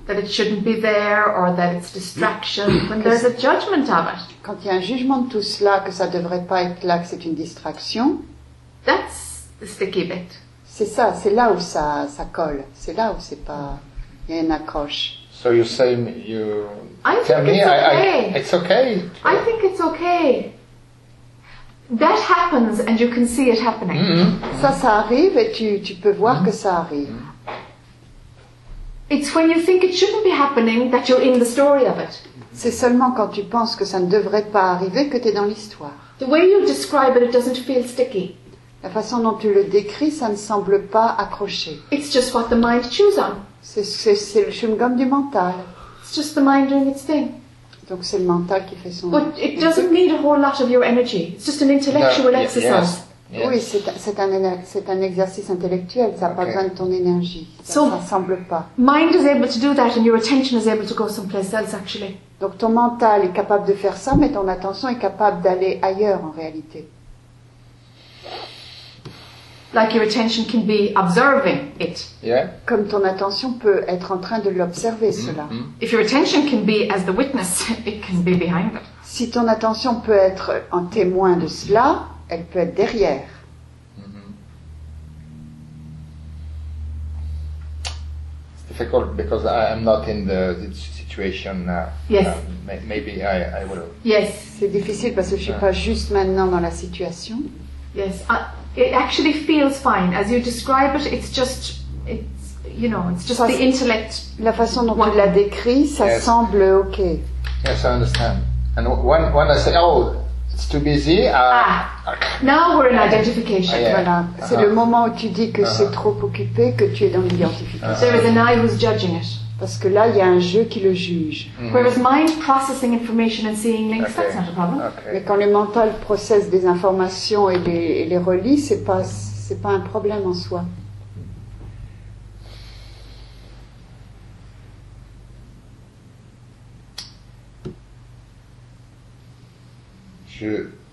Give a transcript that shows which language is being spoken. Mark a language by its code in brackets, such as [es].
[en] that it shouldn't be there or that it's distraction, when there's a judgment of it, [fr] quand il y a un jugement de tout cela, que ça devrait pas être là, que c'est une distraction, [en] that's the sticky bit. [fr] C'est ça, c'est là où ça colle. C'est là où c'est pas. Il y a une accroche. [en] So you say you I tell think me it's okay. It's okay. I think it's okay. That happens and you can see it happening. [fr] Mm-hmm. Ça arrive et tu peux voir mm-hmm. que ça arrive. Mm-hmm. [en] It's when you think it shouldn't be happening that you're in the story of it. [fr] C'est seulement quand tu penses que ça ne devrait pas arriver que tu es dans l'histoire. [en] The way you describe it, it doesn't feel sticky. [fr] La façon dont tu le décris, ça ne semble pas accroché. [en] It's just what the mind chews on. [fr] C'est le chewing-gum du mental. [en] It's just the mind doing its thing. [fr] Donc c'est le mental qui fait son. [en] But it doesn't need a whole lot of your energy. It's just an intellectual exercise. Yes. [fr] Oui, c'est un exercice intellectuel. Ça n'a pas besoin de ton énergie. Ça ne semble pas. [en] Mind is able to do that, and your attention is able to go someplace else, actually. [fr] Donc ton mental est capable de faire ça, mais ton attention est capable d'aller ailleurs, en réalité. [en] Like your attention can be observing it. Yeah. [fr] Comme ton attention peut être en train de l'observer, cela. [en] If your attention can be as the witness, it can be behind it. [fr] Si ton attention peut être un témoin de cela, elle peut être derrière. [en] It's difficult because I'm not in the situation now. Yes. Maybe I will. Yes. [fr] C'est difficile parce que je ne suis pas juste maintenant dans la situation. [en] Yes. It actually feels fine. As you describe it, it's just, you know, it's just the intellect. [fr] La façon dont tu l'as décrit, ça semble ok. [en] Yes, I understand. And when I say, oh, it's too busy. Now we're in identification. Yeah. Voilà. Uh-huh. [fr] C'est le moment où tu dis que c'est trop occupé, que tu es dans l'identification. [en] There is an eye who's judging it. [fr] Parce que là, il y a un jeu qui le juge. [en] Whereas mind processing information and seeing links, that's not a problem. Okay. [fr] Mais quand le mental processe des informations et les relie, c'est pas un problème en soi. Je...